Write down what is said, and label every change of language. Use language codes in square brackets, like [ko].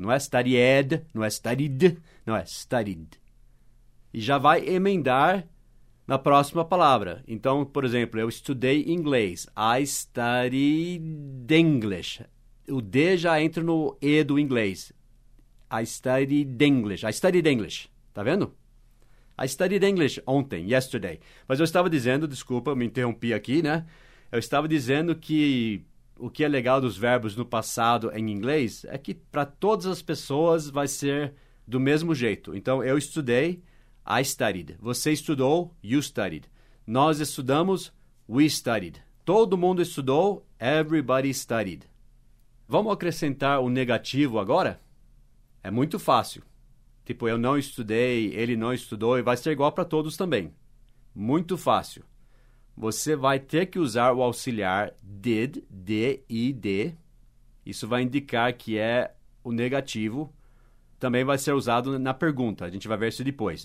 [pt] Não é studied, não é studied, não é studied. E já vai emendar na próxima palavra. Então, por exemplo, eu estudei inglês. [en] I studied English. [pt] O D já entra no E do inglês. [en] I studied English. I studied English. [pt] Tá vendo? [en] I studied English ontem, yesterday. [pt] Mas eu estava dizendo, desculpa, me interrompi aqui, né? Eu estava dizendo que o que é legal dos verbos no passado em inglês é que para todas as pessoas vai ser do mesmo jeito. Então, eu estudei, [en] I studied. [pt] Você estudou, [en] you studied. [pt] Nós estudamos, [en] we studied. [pt] Todo mundo estudou, [en] everybody studied. [pt] Vamos acrescentar o negativo agora? É muito fácil. Tipo, eu não estudei, ele não estudou, e vai ser igual para todos também. Muito fácil. Você vai ter que usar o auxiliar did, D-I-D. Isso vai indicar que é o negativo. Também vai ser usado na pergunta. A gente vai ver isso depois.